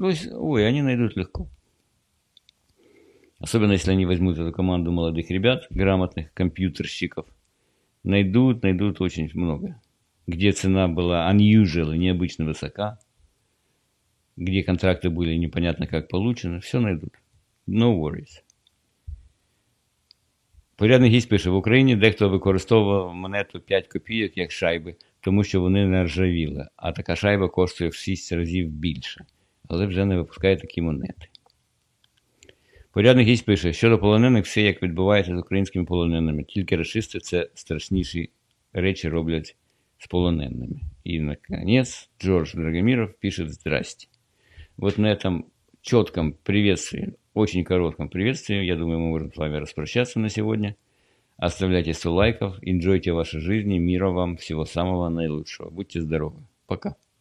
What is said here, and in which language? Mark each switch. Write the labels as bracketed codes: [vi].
[ru] То есть, ой, они найдут легко. Особенно, если они возьмут эту команду молодых ребят, грамотных компьютерщиков. Найдут очень много. Где цена была [en] unusual, [ru] необычно высока. Где контракты были непонятно как получены. Все найдут. [en] No worries. [uk] Порядний гість пише, в Україні дехто використовував монету 5 копійок як шайби, тому що вони нержавіли. А така шайба коштує в 6 разів більше. Але вже не випускає такі монети. Порядний гість пише, щодо полонених, все як відбувається з українськими полоненими. Тільки расисти це страшніші речі роблять з полоненими. І на кінець Джордж Драгоміров пише, здрасте. [ru] Вот на этом четком приветствии, очень коротком приветствии, я думаю, мы можем с вами распрощаться на сегодня. Оставляйте 100 лайков, enjoyте ваши жизни, мира вам, всего самого наилучшего. Будьте здоровы. Пока.